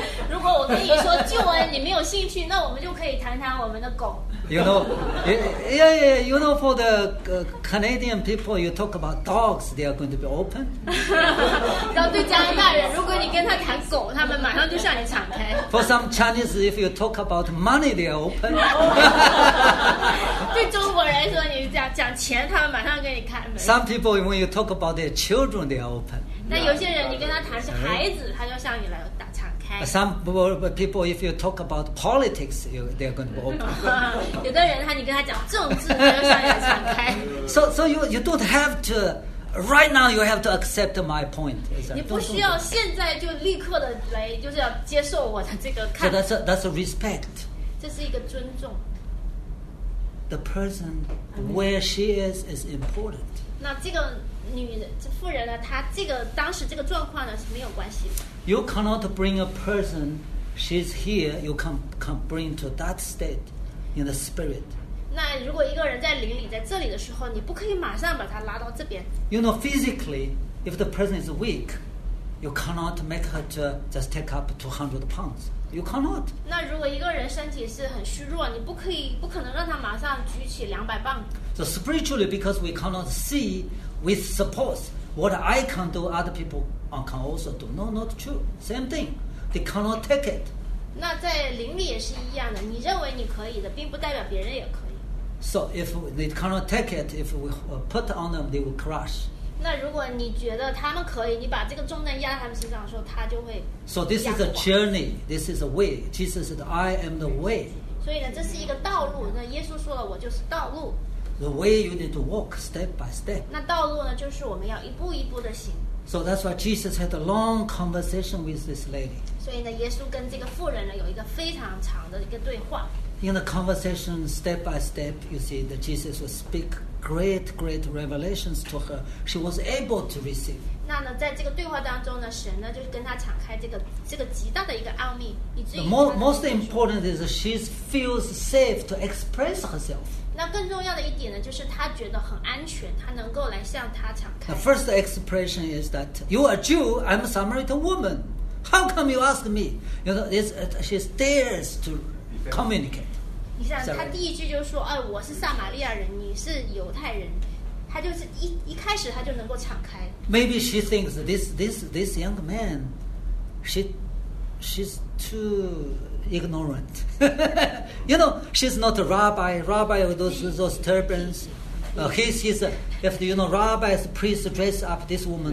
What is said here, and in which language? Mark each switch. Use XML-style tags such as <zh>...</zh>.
<zh>如果我跟你说救恩你没有兴趣，那我们就可以谈谈我们的狗。</zh> <en>You know, you know, for the Canadian people, you talk about dogs, they are going to be open.</en> <zh>要对加拿大人，如果你跟他谈狗，他们马上就向你敞开。</zh> <en>For some Chinese, if you talk about money, they are open.</en> <zh>对中国人说，你讲钱，他们马上给你开门。</zh> <en>Some people, when you talk about their children, they are open.</en> <zh>那有些人，你跟他谈是孩子，他就向你来。</zh> <en>Some people, if you talk about politics, they are going to be open.</en> <zh>有的人他你跟他讲政治，所以想要敞开。</zh> <en>So you don't have to, right now you have to accept my point.</en> <zh>你不需要现在就立刻的来，就是要接受我的这个看。</zh> <en>So that's a respect.</en> <zh>这是一个尊重。</zh> <en>The person where she is important.</en> <zh>那这个这妇人呢，她这个当时这个状况呢是没有关系的。</zh> <en>You cannot bring a person, she's here, you can bring to that state in the spirit.</en> <zh>那如果一个人在灵里在这里的时候，你不可以马上把他拉到这边。</zh> <en>You know, physically, if the person is weak, you cannot make her to just take up 200 pounds. You cannot.</en> <zh>那如果一个人身体是很虚弱，你不可能让他马上举起200磅。</zh> <en>So spiritually, because we cannot see, we suppose what I can do, other people can also do. No, not true. Same thing. They cannot take it.</en> <zh>那在灵里也是一样的。你认为你可以的，并不代表别人也可以。</zh> <en>So if they cannot take it, if we put on them, they will crush.</en> <zh>那如果你觉得他们可以，你把这个重担压在他们身上的时候，他就会。</zh> <en>So this is a journey. This is a way. Jesus said, "I am the way."</en> <zh>所以呢，这是一个道路。那耶稣说了，我就是道路。</zh> <en>The way you need to walk step by step.</en> <zh>那道路呢，就是我们要一步一步的行。</zh> <en>So that's why Jesus had a long conversation with this lady.</en> <zh>所以呢，耶稣跟这个妇人呢有一个非常长的一个对话。</zh> <en>In the conversation, step by step, you see that Jesus would speak great, great revelations to her. She was able to receive.</en> <zh>那呢，在这个对话当中呢，神呢就跟她敞开这个极大的一个奥秘，以至于</zh> <en>most important is she feels safe to express herself.</en> <zh>那更重要的一点呢，就是他觉得很安全，他能够来向他敞开。</zh> <en>The first expression is that you are Jew, I'm a Samaritan woman. How come you ask me? You know, she dares to communicate.</en> <zh>你想，他第一句就说：“哎，我是撒玛利亚人，你是犹太人。” 他就是一开始他就能够敞开。</zh> <en>Maybe she thinks this young man, she's too. Ignorant. You know, she's not a rabbi. Rabbi with those turbans. If you know, rabbi is a priest dressed up, this woman,</en>